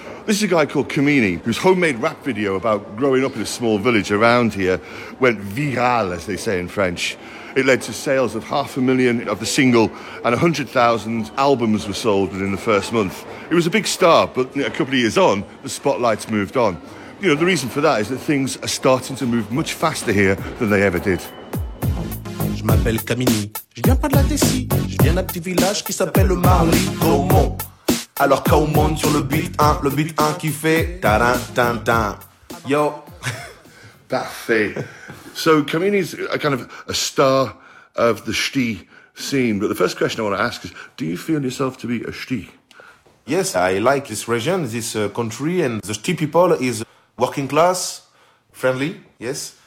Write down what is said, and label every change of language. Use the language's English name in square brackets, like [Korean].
[English] This is a guy called Kamini, whose homemade rap video about growing up in a small village around here went viral, as they say in French. It led to sales of 500,000 of the single, and 100,000 albums were sold within the first month. It was a big star, but a couple of years on, the spotlight's moved on. You know, the reason for that is that things are starting to move much faster here than they ever did. [French] Je m'appelle Kamini, je viens pas de la Tessie, je viens d'un petit village qui s'appelle Marly Gaumont. Alors quand on monte sur le beat 1 qui fait tarin tin tin. Yo. Parfait. [English] So Kamini's a kind of a star of the Ch'ti scene, but the first question I want to ask is, do you feel yourself to be a Ch'ti? Yes, I like this region, this country, and the Ch'ti people is working class, friendly, yes.